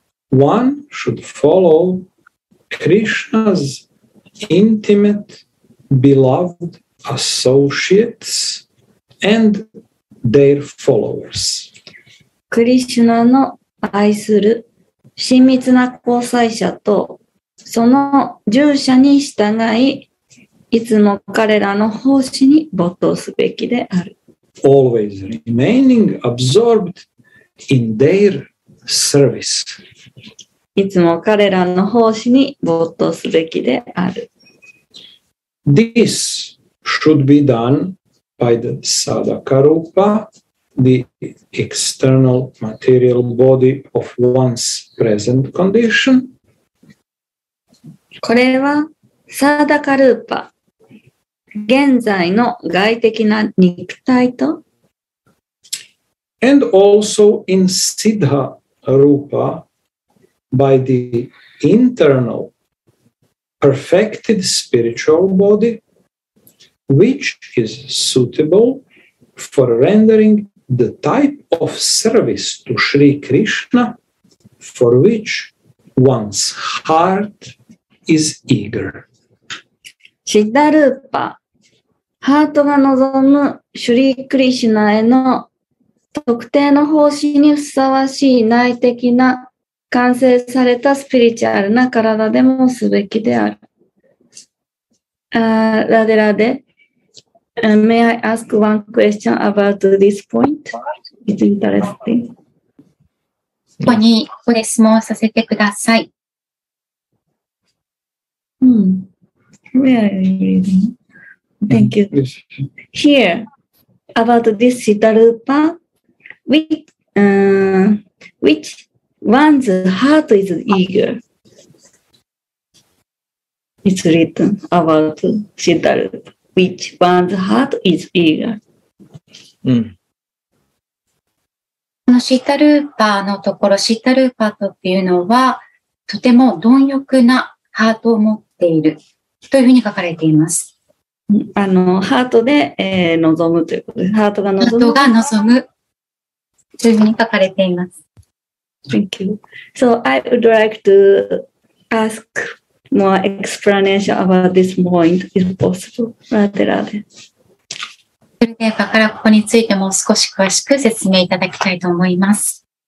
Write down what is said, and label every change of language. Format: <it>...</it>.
<en>One should follow Krishna's intimate beloved associates and their followers.</en> <ja>Krishna の愛する親密な交際者とその従者に従い、いつも彼らの奉仕に没頭すべきである。</ja> <en>Always remaining absorbed in their service.</en> <ja>いつも彼らの奉仕に没頭すべきである。</ja> <en>This should be done by the Sadaka Rupa, the external material body of one's present condition.</en> <ja>これはサダカルーパ。現在の外的な肉体と</ja> <en>And also in Siddha Rupa by the internal perfected spiritual body which is suitable for rendering the type of service to Sri Krishna for which one's heart is eager</en> <ja>Siddha Rupaハートが望むシュリー・クリシュナへの特定の方針にふさわしい内的な完成されたスピリチュアルな体でもすべきである。</ja> <en>ラデラデ、May I ask one question about this point? It's interesting.</en> <ja>ここにご質問させてください。</ja> <en>Where are you reading? Thank you. Here, about this Siddha Rupa, which one's heart is eager? It's written about Siddha Rupa, which one's heart is eager?、</en> <ja>この Siddha Rupa のところ、Siddha Rupa というのは、とても貪欲なハートを持っているというふうに書かれています。あのハートで、望むということです。ハートが望む。ハートが望む。というふうに書かれています。</ja> <en>Thank you. So I would like to ask more explanation about this point, if possible. Rade.</en> <ja>それでは、からここについても少し詳しく説明いただきたいと思います。</ja>